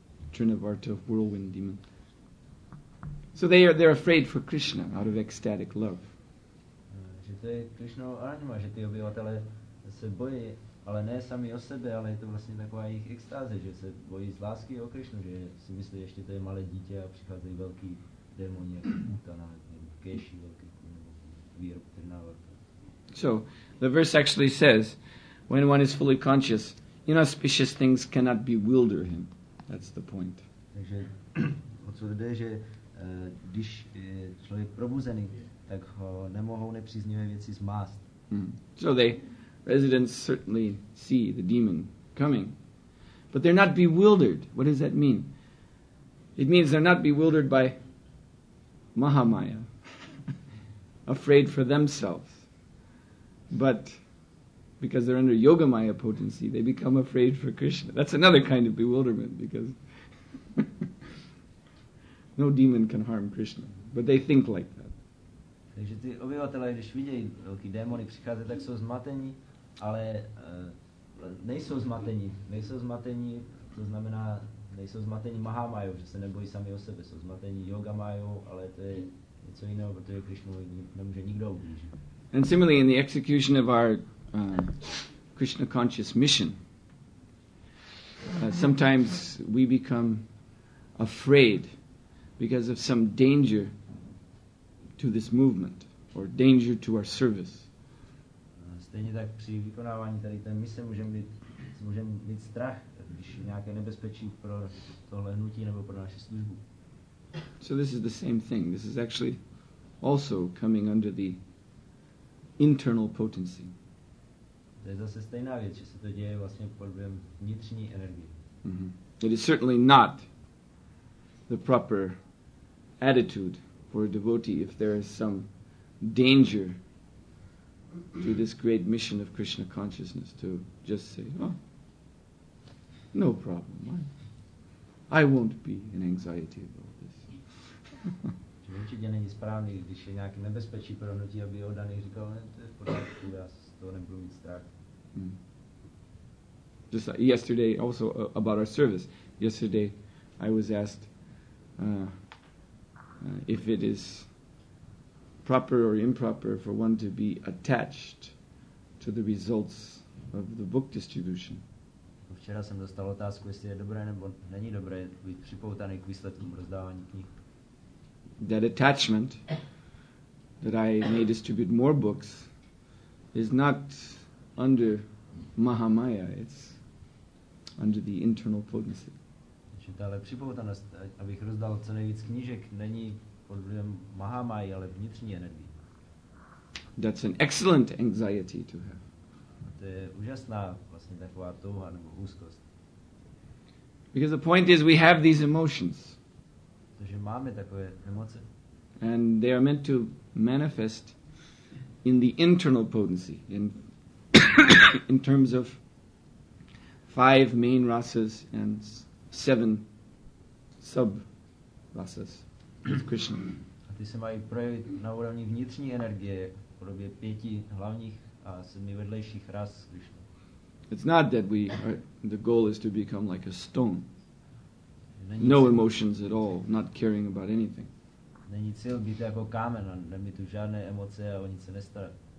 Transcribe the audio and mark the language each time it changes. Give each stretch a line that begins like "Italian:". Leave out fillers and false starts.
English: Trinavarta, whirlwind demon. So they're afraid for Krishna out of ecstatic love.
Czech: Že to je Krishnova anima, že ty obyvatelé se bojí, ale ne sami o sebe, ale je to vlastně taková jejich extáze, že se bojí z lásky o Krishnu, že si myslí, ještě to je malé dítě a přicházejí velký démoni, jako Putana, nebo Keshi, velký vír, Trinavarta.
English: So, the verse actually says, when one is fully conscious, inauspicious things cannot bewilder him. That's the point.
Czech: Takže o co jde, že když je člověk probuzený, tak ho nemohou nepříznivé věci zmást. Mm.
English: So the residents certainly see the demon coming. But they're not bewildered. What does that mean? It means they're not bewildered by Mahamaya, afraid for themselves. But because they're under Yogamaya potency, they become afraid for Krishna. That's another kind of bewilderment, because no demon can harm Krishna. But they think like that.
Czech: Takže ty obyvatelé, když vidějí velký démony přicházet, tak jsou zmatení, ale nejsou zmatení. Nejsou zmatení, to znamená, nejsou zmatení Mahamaya, že se nebojí sami o sebe. Jsou zmatení Yogamaya, ale to je něco jiného, protože Krishna nemůže nikdo ublížit.
English: And similarly, in the execution of our Krishna conscious mission. Sometimes we become afraid because of some danger to this movement or danger to our service.
Czech: Stejně tak při vykonávání tady té mise můžeme mít strach, když je nějaké nebezpečí pro tohle hnutí nebo pro naši službu.
English: So this is the same thing. This is actually also coming under the internal potency.
Czech: To je zase stejná věc, že se to děje vlastně pod vlivem vnitřní energie. Mm-hmm.
English: It is certainly not the proper attitude for a devotee if there is some danger to this great mission of Krishna consciousness to just say, oh, no problem, I won't be in anxiety about this.
Czech: Určitě není správný, když je nějaké nebezpečí pro hnutí, aby ho daný říkal, ne, to je v pořádku, já z toho nebudu mít strach. Hmm.
English: Just like yesterday, also about our service. Yesterday, I was asked if it is proper or improper for one to be attached to the results of the book distribution.
Czech: Včera jsem dostal otázku, jestli je dobré nebo není dobré být připoutaný k výsledkům rozdávání knih.
English: That attachment that I may distribute more books is not under Mahamaya, it's under the internal potency.
Czech: Takže tahle připoutanost, abych rozdal co nejvíc knížek, není pod vlivem Mahamaya, ale vnitřní energie.
English: That's an excellent anxiety to have.
Czech: A to je úžasná vlastně taková touha nebo úzkost.
English: Because the point is we have these emotions.
Czech: Protože máme takové emoce.
English: And they are meant to manifest in the internal potency, in in terms of five main rasas and seven sub rasas with Krishna.
Czech: A ty se mají projevit na úrovni vnitřní energie v podobě pěti hlavních a sedmi vedlejších ras Krishna.
English: It's not that we are, the goal is to become like a stone. No emotions at all, not caring about anything.
Czech: Není cíl být jako kámen, nemít tu žádné emoce a o nic se nestarat.